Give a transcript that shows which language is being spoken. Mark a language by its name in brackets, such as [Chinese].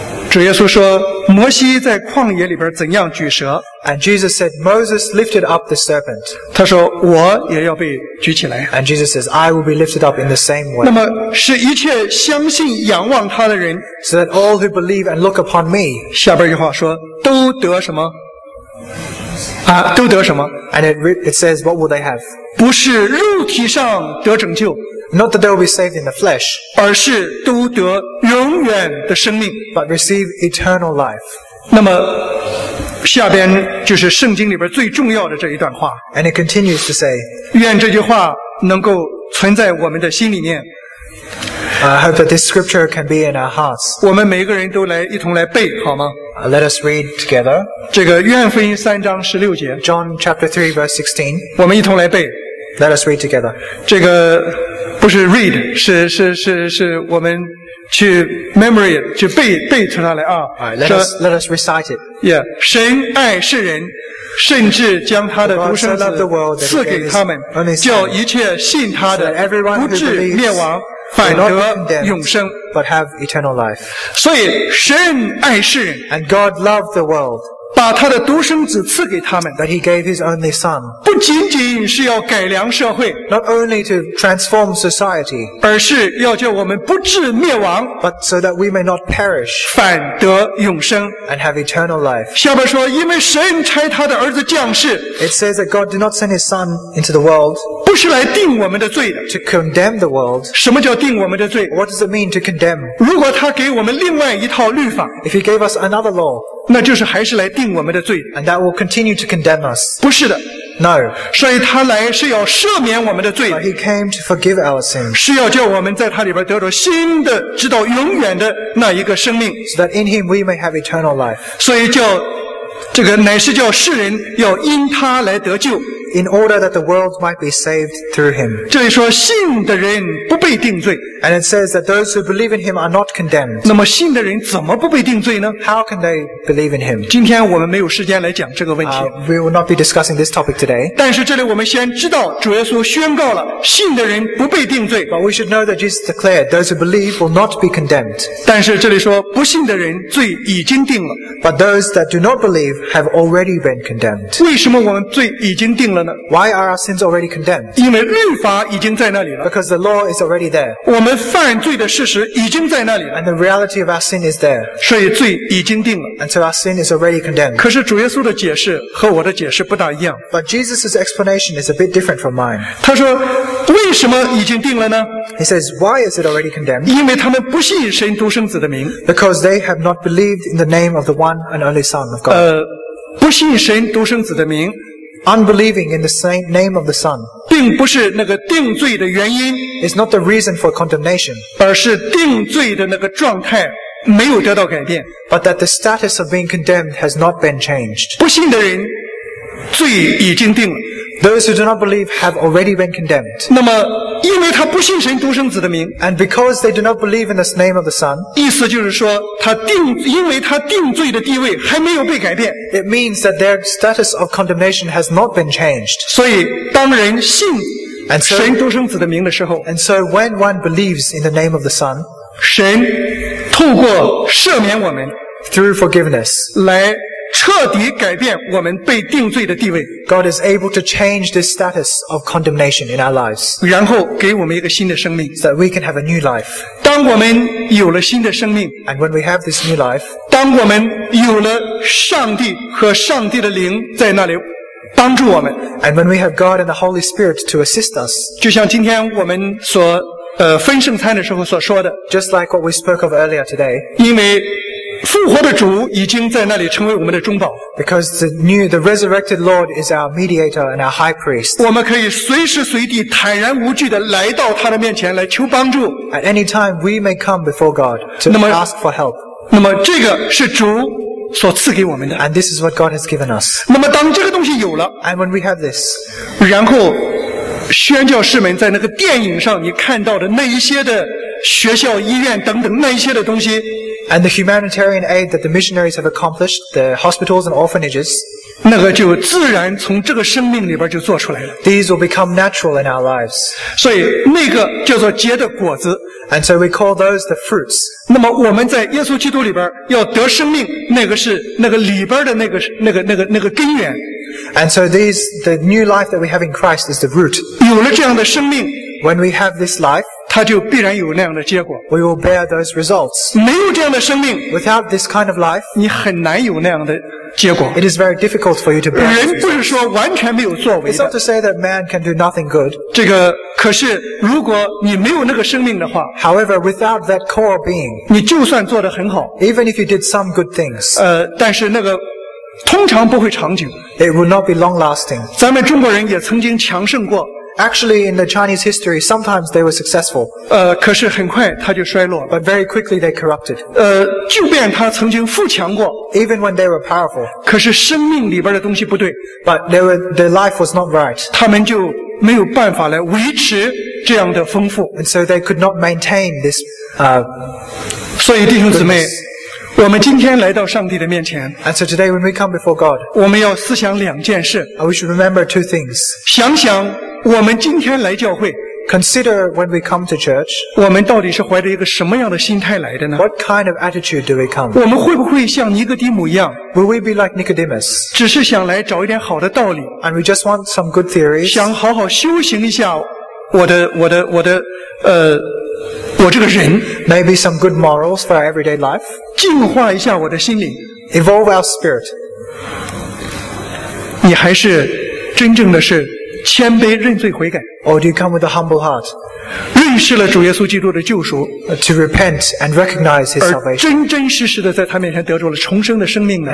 [Chinese] 主耶稣说摩西在旷野里边怎样举蛇。 [English] And Jesus said, Moses lifted up the serpent. [Chinese] 他说我也要被举起来。 [English] And Jesus says, I will be lifted up in the same way. [Chinese] 那么是一切相信仰望他的人。 [English] So that all who believe and look upon me. [Chinese] 下边一句话说都得什么都得什么。 [English] And it says, what will they have? [Chinese] 不是肉体上得拯救。 [English] Not that they will be saved in the flesh, [Chinese] 而是都得永远的生命 [English] but receive eternal life. [Chinese] 那么下边就是圣经里边最重要的这一段话。 [English] And it continues to say, [Chinese] 愿这句话能够存在我们的心里面。 [English] I hope that this scripture can be in our hearts. [Chinese] 我们每个人都来一同来背好吗？ [English] Let us read together. [Chinese] 这个约翰福音三章十六节。 [English] John chapter 3 verse 16. [Chinese] 我们一同来背。 [English] Let us read together. [Chinese] 这个不是 read, 是我们去 memory, 去背出来啊。 [English] Let us recite it. Yeah. [Chinese] 神爱世人，甚至将他的独生子赐给他们，叫一切信他的不至灭亡，反得永生。 [English] But have eternal life. [Chinese] 所以神爱世人， [English] and God loved the world, [Chinese] 把他的独生子赐给他们， [English] that he gave his only son, [Chinese] 不仅仅是要改良社会， [English] not only to transform society, [Chinese] 而是要叫我们不至灭亡， [English] but so that we may not perish, [Chinese] 反得永生， [English] and have eternal life. [Chinese] 下面说，因为神差他的儿子降世， [English] it says that God did not send his son into the world, [Chinese] 不是来定我们的罪的， [English] to condemn the world. [Chinese] 什么叫定我们的罪？ [English] What does it mean to condemn? [Chinese] 如果他给我们另外一套律法， [English] if he gave us another law, [Chinese] 那就是还是来定我们的罪， [English] and that will continue to condemn us. [Chinese] 不是的， [English] no. [Chinese] 所以他来是要赦免我们的罪， [English] but he came to forgive our sins, [Chinese] 是要叫我们在他里边得着新的直到永远的那一个生命， [English] so that in him we may have eternal life. [Chinese] 所以叫这个乃是叫世人要因他来得救， [English] in order that the world might be saved through him. [Chinese] 这里说信的人不被定罪， [English] and it says that those who believe in him are not condemned. [Chinese] 那么信的人怎么不被定罪呢？ [English] How can they believe in him? [Chinese] 今天我们没有时间来讲这个问题， [English] we will not be discussing this topic today. [Chinese] 但是这里我们先知道主耶稣宣告了信的人不被定罪， [English] but we should know that Jesus declared those who believe will not be condemned. [Chinese] 但是这里说不信的人罪已经定了， [English] but those that do not believeHave already been condemned. [Chinese] 为什么我们罪已经定了呢？ [English] Why are our sins already condemned? [Chinese] 因为律法已经在那里了。 [English] Because the law is already there. [Chinese] 我们犯罪的事实已经在那里了。 [English] And the reality of our sin is there. [Chinese] 所以罪已经定了。 [English] And so our sin is already condemned. [Chinese] 可是主耶稣的解释和我的解释不大一样。 [English] But Jesus' explanation is a bit different from mine. [Chinese] 他说为什么已经定了呢？ [English] He says, why is it already condemned? [Chinese] 因为他们不信神独生子的名。 [English] Because they have not believed in the name of the one and only Son of God. [Chinese] 不信神独生子的名， [English] unbelieving in the name of the Son, [Chinese] 并不是那个定罪的原因， [English] is not the reason for condemnation, [Chinese] 而是定罪的那个状态没有得到改变， [English] but that the status of being condemned has not been changed. [Chinese] 不信的人罪已经定了， [English] those who do not believe have already been condemned. [Chinese] 那么因为他不信神独生子的名， [English] and because they do not believe in the name of the Son, [Chinese] 意思就是说他定，因为他定罪的地位还没有被改变， [English] it means that their status of condemnation has not been changed. [Chinese] 所以当人信神独生子的名的时候， [English] and so when one believes in the name of the Son, [Chinese] 神透过赦免我们， [English] through forgiveness, [Chinese] 来彻底改变我们被定罪的地位， [English] God is able to change this status of condemnation in our lives, [Chinese] 然后给我们一个新的生命， [English] so that we can have a new life. [Chinese] 当我们有了新的生命， [English] and when we have this new life, [Chinese] 当我们有了上帝和上帝的灵在那里帮助我们， [English] and when we have God and the Holy Spirit to assist us, [Chinese] 就像今天我们所分圣餐的时候所说的， [English] just like what we spoke of earlier today, [Chinese] 因为复活的主已经在那里成为我们的中保， [English] because the resurrected Lord is our mediator and our high priest, [Chinese] 我们可以随时随地坦然无惧地来到他的面前来求帮助， [English] at any time we may come before God to ask for help. [Chinese] 那么这个是主所赐给我们的， [English] and this is what God has given us. [Chinese] 那么当这个东西有了， [English] and when we have this, [Chinese] 然后宣教士们在那个电影上你看到的那一些的学校医院等等那一些的东西， [English] and the humanitarian aid that the missionaries have accomplished, the hospitals and orphanages, [Chinese] 那个就自然从这个生命里边就做出来了。 [English] These will become natural in our lives. [Chinese] 所以那个叫做结的果子。 [English] And so we call those the fruits. [Chinese] 那么我们在耶稣基督里边要得生命，那个是那个里边的那个根源。 [English] And so the new life that we have in Christ is the root. [Chinese] 有了这样的生命， [English] when we have this life, [Chinese] 他就必然有那样的结果。 [English] We will bear those results. [Chinese] 没有这样的生命， [English] without this kind of life, [Chinese] 你很难有那样的结果。 [English] It is very difficult for you to bear. [Chinese] 人不是说完全没有作为的。 [English] It's not to say that man can do nothing good. [Chinese] 这个可是如果你没有那个生命的话， [English] However, without that core being, [Chinese] 你就算做得很好， [English] even if you did some good things, [Chinese] 但是那个通常不会长久。 [English] It will not be long lasting. [Chinese] 咱们中国人也曾经强盛过。 [English] actually in the Chinese history, sometimes they were successful. [Chinese] 可是很快他就衰落。 [English] But very quickly they corrupted. [Chinese] 就便他曾经富强过。 [English] Even when they were powerful. [Chinese] 可是生命里边的东西不对。 [English] But their life was not right. [Chinese] 他们就没有办法来维持这样的丰富。 [English] And so they could not maintain this, [Chinese] 所以弟兄姊妹，我们今天来到上帝的面前。 [English] And so today when we come before God, [Chinese] 我们要思想两件事。 [English] We should remember two things. [Chinese] 想想我们今天来教会。 [English] Consider when we come to church, [Chinese] 我们到底是怀着一个什么样的心态来的呢？ [English] What kind of attitude do we come? [Chinese] 我们会不会像尼哥底母一样？ [English] Will we be like Nicodemus? [Chinese] 只是想来找一点好的道理。 [English] And we just want some good theories. [Chinese] 想好好修行一下我这个人。 [English] Maybe some good morals for our everyday life. [Chinese] 进化一下我的心灵。 [English] Evolve our spirit. [Chinese] 你还是真正的是谦卑认罪悔改。 [English] Or do you come with a humble heart? [Chinese] 认识了主耶稣基督的救赎。 [English] To repent and recognize his salvation. [Chinese] 而真真实实的在他面前得着了重生的生命呢？